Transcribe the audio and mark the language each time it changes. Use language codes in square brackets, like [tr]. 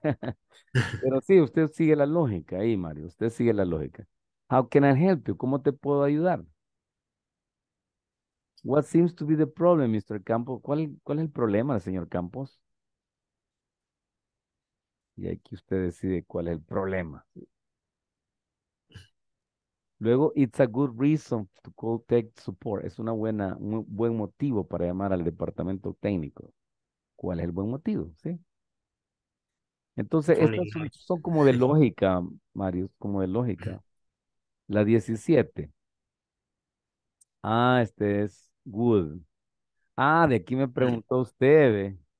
[es] Pero sí, usted sigue la lógica ahí, Mario, usted sigue la lógica. [en] How can I help you? [es] ¿Cómo te puedo ayudar? [en] What seems to be the problem, Mr. Campos? [es] ¿Cuál es el problema, señor Campos? Y aquí usted decide cuál es el problema. Luego, [en] it's a good reason to call tech support. [es] Es una buena, un buen motivo para llamar al departamento técnico. ¿Cuál es el buen motivo? ¿Sí? Entonces, estas son como de lógica, Mario, como de lógica. La 17. Ah, este es [en] good. [es] Ah, de aquí me preguntó usted, ¿ve?